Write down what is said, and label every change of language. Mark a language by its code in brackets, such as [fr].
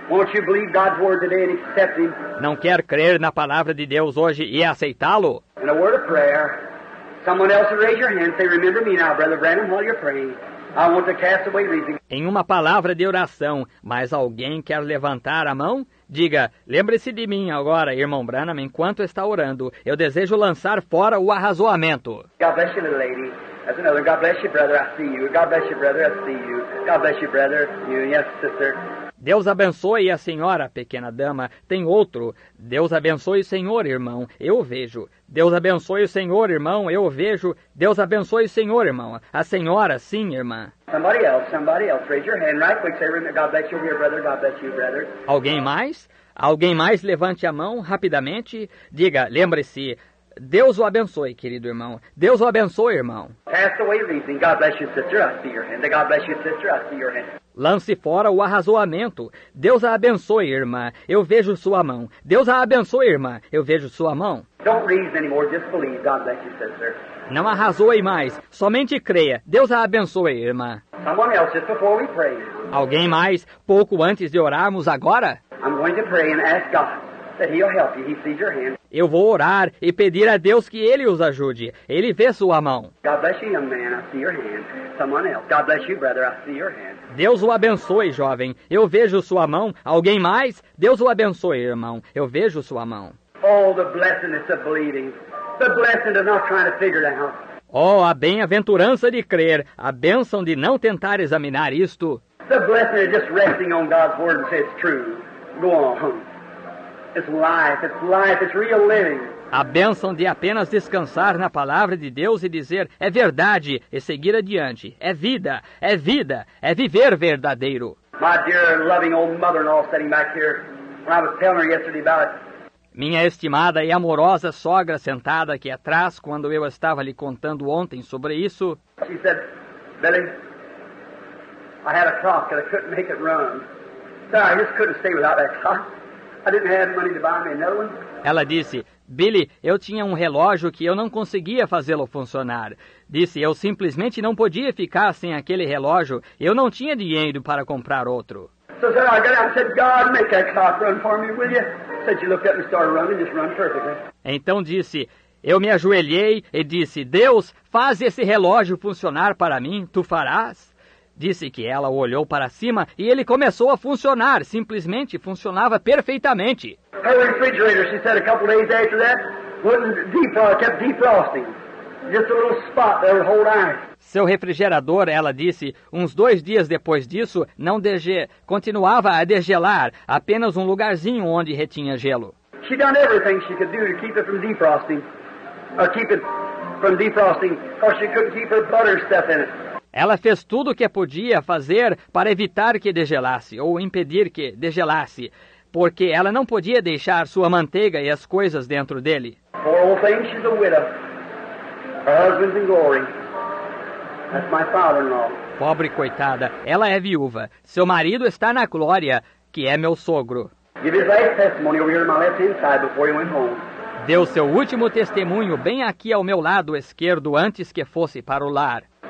[en] Won't you believe God's word today and accept him? [pt] Não quer crer na palavra de Deus hoje e aceitá-lo? [en] In a word of prayer, someone else will raise your hand and say, remember me now, Brother Branham, while you're praying. I want to cast away reason. [pt] Em uma palavra de oração, mas alguém quer levantar a mão? Diga, lembre-se de mim agora, irmão Branham, enquanto está orando. Eu desejo lançar fora o arrazoamento. [en] God bless you, little lady. That's another. God bless you, brother. I see you. God bless you, brother. I see you. God bless you, brother. You, yes, sister. [pt] Deus abençoe a senhora, pequena dama. Tem outro. Deus abençoe o senhor, irmão. Eu vejo. Deus abençoe o senhor, irmão. Eu vejo. Deus abençoe o senhor, irmão. A senhora, sim, irmã. [en] Somebody else, somebody else. Raise your hand right quick. Say, God bless you, your brother. God bless you, brother. [pt] Alguém mais? Alguém mais? Levante a mão rapidamente. Diga, lembre-se. Deus o abençoe, querido irmão. Deus o abençoe, irmão. [en] Cast away reason. God bless you, sister. I see your hand. God bless you, sister. I see your hand. [pt] Lance fora o arrazoamento. Deus a abençoe, irmã. Eu vejo sua mão. Deus a abençoe, irmã. Eu vejo sua mão. [en] Don't reason anymore. Just believe. God bless you, sister. [pt] Não arrazoe mais. Somente creia. Deus a abençoe, irmã. [en] Someone else, just before we pray. [pt] Alguém mais? Pouco antes de orarmos agora? [en] I'm going to pray and ask God that he'll help you. He sees your hand. [pt] Eu vou orar e pedir a Deus que ele os ajude. Ele vê sua mão. [en] God bless you, young man. I see your hand. Someone else. God bless you, brother. I see your hand. [pt] Deus o abençoe, jovem. Eu vejo sua mão. Alguém mais? Deus o abençoe, irmão. Eu vejo sua mão. [en] Oh, the blessedness of believing. The blessing of not trying to figure it out. [pt] Oh, a bem-aventurança de crer. A bênção de não tentar examinar isto. [en] The blessing of just resting on God's word and say it's true. Go on. It's life, it's real living. [pt] A bênção de apenas descansar na palavra de Deus e dizer, é verdade, e seguir adiante. É vida, é viver verdadeiro. [en] My dear, loving old mother-in-law sitting back here, when I was telling her yesterday about it. [pt] Minha estimada e amorosa sogra sentada aqui atrás, quando eu estava lhe contando ontem sobre isso. [en] She said, Billy, I had a clock and I couldn't make it run. So I just couldn't stay without that clock. I didn't have money to buy me another one. [pt] Ela disse, Billy, eu tinha um relógio que eu não conseguia fazê-lo funcionar. Disse, eu simplesmente não podia ficar sem aquele relógio. Eu não tinha dinheiro para comprar outro. [en] So I said, God, make that clock run for me, will you? Said, you looked at me, started running, just run perfectly. [pt] Então disse, eu me ajoelhei e disse, Deus, faz esse relógio funcionar para mim, tu farás? Disse que ela olhou para cima e ele começou a funcionar. Simplesmente funcionava perfeitamente. [en] Her refrigerator, she said, a couple days after that, kept defrosting. Just a little spot that would hold ice. [pt] Seu refrigerador, ela disse, uns dois dias depois disso, continuava a degelar. Apenas um lugarzinho onde retinha gelo. [en] She done everything she could do to keep it from defrosting. Or keep it from defrosting, because she couldn't keep her butter stuff in it. [pt] Ela fez tudo o que podia fazer para evitar que degelasse, ou impedir que degelasse, porque ela não podia deixar sua manteiga e as coisas dentro dele. [en] Poor old thing, she's a widow. Her husband's in glory. That's my father-in-law. [pt] Pobre coitada, ela é viúva. Seu marido está na glória, que é meu sogro. [en] Give his last testimony over here on my left hand side before he went home. [pt] Deu seu último testemunho bem aqui ao meu lado esquerdo antes que fosse para o lar.